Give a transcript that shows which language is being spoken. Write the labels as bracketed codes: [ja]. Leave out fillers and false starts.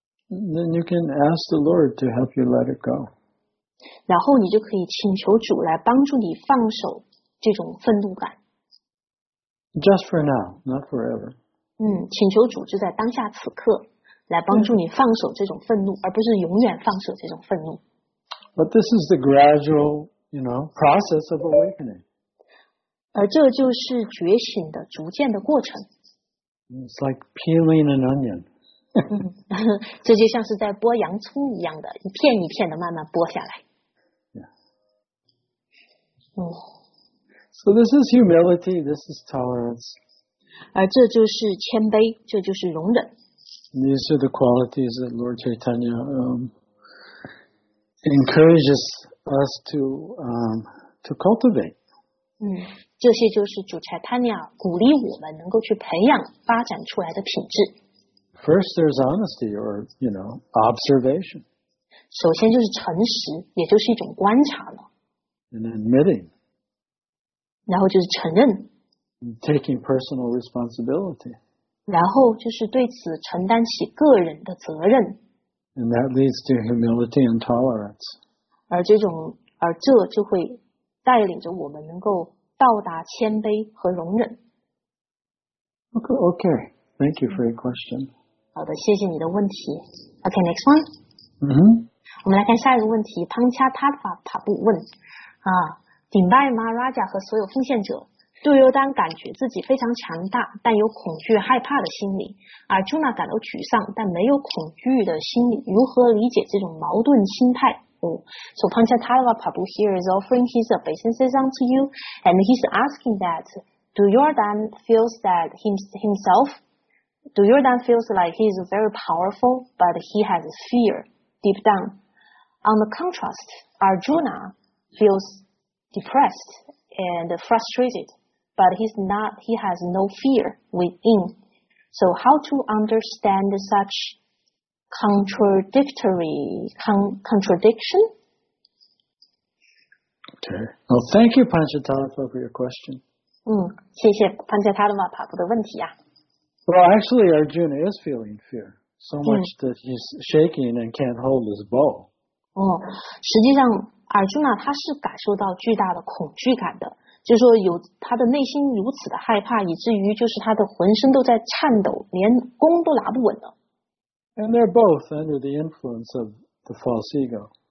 [en] Then you can ask the Lord to help you let it go. [zh] 然后你就可以请求主来帮助你放手这种愤怒感。 [en] Just for now, not forever. [zh] 请求主就在当下此刻来帮助你放手这种愤怒，而不是永远放手这种愤怒。 [en] But this is the gradual, you know, process of awakening. [zh] 而这就是觉醒的逐渐的过程。 [en] It's like peeling an onion. [zh] 这就像是在剥洋葱一样的，一片一片的慢慢剥下来。 [en] So this is humility, this is tolerance. [zh] 而这就是谦卑，这就是容忍。 [en] These are the qualities that Lord Chaitanya encourages us to cultivate. [zh] 这些就是主柴塔尼亚鼓励我们能够去培养发展出来的品质。 [en] First, there's honesty or, you know, observation. [zh] 首先就是诚实，也就是一种观察了。 [en] And admitting. [zh] 然后就是承认。 [en] And taking personal responsibility. [zh] 然后就是对此承担起个人的责任。 [en] And that leads to humility and tolerance. [zh] 而这就会带领着我们能够到达谦卑和容忍。 [en] Okay, thank you for your question. [zh] 好的，谢谢你的问题。 [en] Okay, next one. [zh] 我们来看下一个问题。汤恰塔法塔布问：顶拜马拉贾和所有奉献者，杜尤丹感觉自己非常强大，但有恐惧害怕的心理；而朱娜感到沮丧，但没有恐惧的心理。如何理解这种矛盾心态？ [en] So Panchatattva Prabhu here is offering his obeisances unto you, and he's asking that Duryodhan feels like he is very powerful, but he has fear deep down. On the contrast, Arjuna feels depressed and frustrated, but he has no fear within. So how to understand such contradiction? Okay. Well, thank you, Panchatattva, for your question. [zh] 谢谢 Panchatattva 塔夫的问题啊。 [en] Well, actually, Arjuna is feeling fear so much that he's shaking and can't hold his bow. [zh] 实际上 ，Arjuna 他是感受到巨大的恐惧感的，就是说有他的内心如此的害怕，以至于就是他的浑身都在颤抖，连弓都拿不稳了。 [en] And they're both under the influence of the false ego.